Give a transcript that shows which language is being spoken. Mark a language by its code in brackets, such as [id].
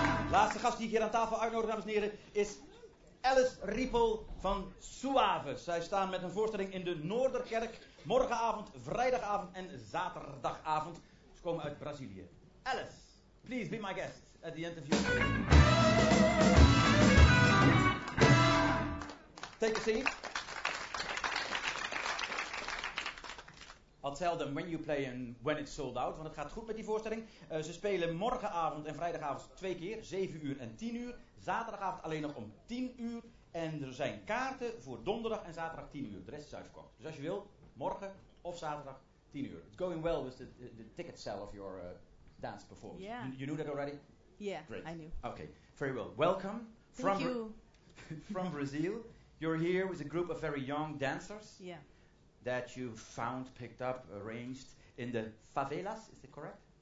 [nl] Laatste gast die ik hier aan tafel uitnodig, dames en heren, is Alice Riepel van Suave. Zij staan met een voorstelling in de Noorderkerk morgenavond, vrijdagavond en zaterdagavond. Ze komen uit Brazilië. [en] Alice, please be my guest at the interview. Take a seat. I'll tell them when you play and when it's sold out. [nl] Want het gaat goed met die voorstelling. Ze spelen morgenavond en vrijdagavond 2 keer. 7 uur en 10 uur. Zaterdagavond alleen nog om 10 uur. En er zijn kaarten voor donderdag en zaterdag 10 uur. De rest is uitverkocht. Dus als je wil, morgen of zaterdag 10 uur. [en] It's going well with the ticket sale of your dance performance. Yeah. You knew that already? Yeah, great. I knew. Okay, very well. Welcome. Thank from you. from Brazil. You're here with a group of very young dancers. Yeah. That you found, picked up, arranged in the favelas, is that correct?